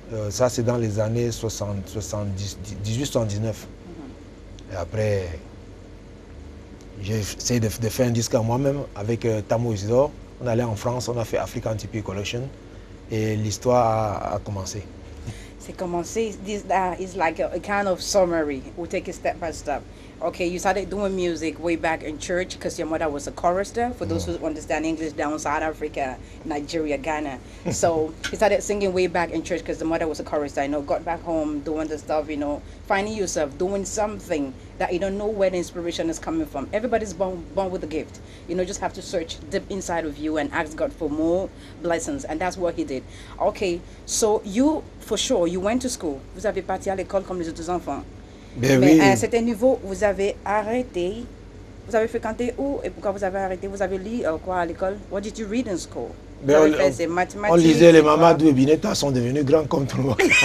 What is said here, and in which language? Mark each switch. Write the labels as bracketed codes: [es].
[fr] ça c'est dans les années 1879. Mm-hmm. Et après, j'ai essayé de faire un disque à moi-même avec Tamo Isidore. On allait en France, on a fait African TP Collection et l'histoire a commencé. C'est commencé, [en] this is like a kind of summary, we'll take it step by step. Okay, you started doing music way back in church because your mother was a chorister, for those who understand English, down South Africa, Nigeria, Ghana. So you started singing way back in church because the mother was a chorister, you know, got back home, doing the stuff, you know, finding yourself, doing something that you don't know where the inspiration is coming from. Everybody's born with a gift. You know, just have to search deep inside of you and ask God for more blessings. And that's what he did. Okay, so you, for sure, you went to school. [fr] Vous avez parti à l'école comme les autres enfants. Ben mais oui. À un certain niveau, vous avez arrêté, vous avez fréquenté où et pourquoi vous avez arrêté? Vous avez lu quoi à l'école? [en] What did you read in school? [fr] Ben on lisait les Mamadou et Binetta sont devenus grands comme tout le monde.